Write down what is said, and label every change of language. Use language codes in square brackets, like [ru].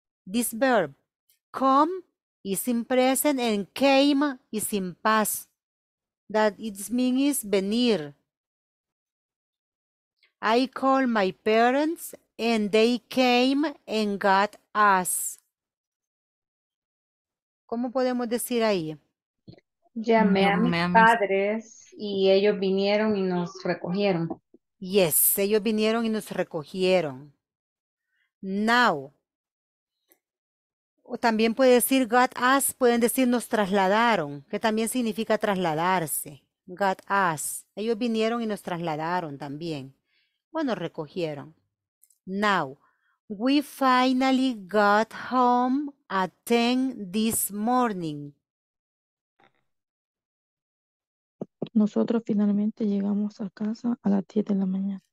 [en] This verb, come, is in present and came is in past. That its meaning is venir. I call my parents and they came and got us. [es] ¿Cómo podemos decir ahí? Llamé a mis padres y ellos vinieron y nos recogieron. Yes, ellos vinieron y nos recogieron. Now, o también puede decir got us, pueden decir nos trasladaron, que también significa trasladarse. Got us. Ellos vinieron y nos trasladaron también. O nos recogieron. [en] Now, we finally got home at 10 this morning. [es] Nosotros finalmente llegamos a casa a las 10 de la mañana.